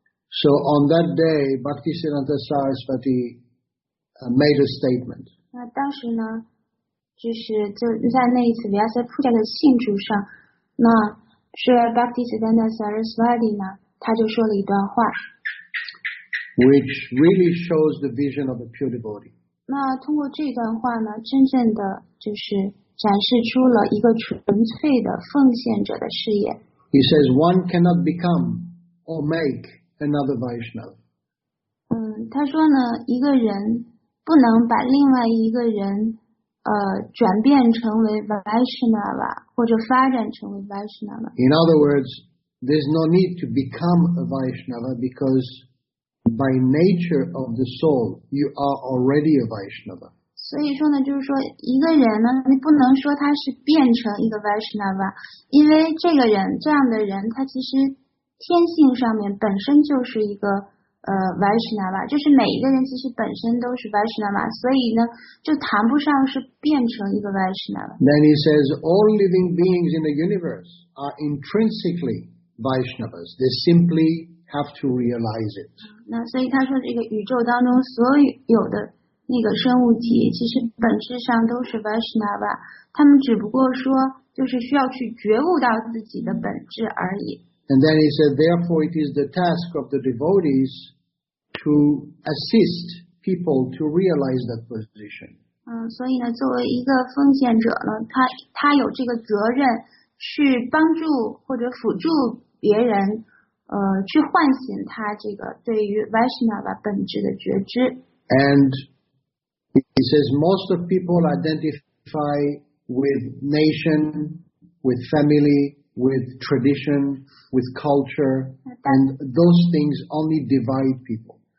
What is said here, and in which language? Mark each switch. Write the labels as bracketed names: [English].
[English] So on that day, Bhaktisiddhanta Saraswati. Made a statement. [Chinese] 那当时呢，就是就在那一次 Vyasa Puja 的庆祝上，那是 Bhaktisiddhanta Saraswati 呢，他就说了一段话 [English] ，which really shows the vision of a pure devotee. [Chinese] 那通过这段话呢，真正的就是展示出了一个纯粹的奉献者的事业。 [English] He says one cannot become or make another Vaishnava. [Chinese] 他说呢，一个人不能把另外一个人转变成为 Vaishnava 或者发展成为 Vaishnava. [English] In other words, there's no need to become a Vaishnava because by nature of the soul, you are already a Vaishnava. [Chinese] 所以说呢，就是说一个人呢，你不能说他是变成一个 Vaishnava, 因为这个人这样的人他其实天性上面本身就是一个Vaishnava, 就是每一个人其实本身都是 Vaishnava, 所以呢就谈不上是变成一个 Vaishnava. [English] Then he says, all living beings in the universe are intrinsically Vaishnavas. They simply have to realize it. [Chinese] 那所以他说这个宇宙当中所有的那个生物体其实本质上都是 Vaishnava, 他们只不过说就是需要去觉悟到自己的本质而已。 [English] And then he said, therefore, it is the task of the devotees to assist people to realize that position. [Chinese] 所以呢，作为一个奉献者呢，他有这个责任去帮助或者辅助别人，去唤醒他这个对于 Vaishnava 本质的觉知。 [English] And he says, most of people identify with nation, with family. With tradition, with culture, and those things only divide people.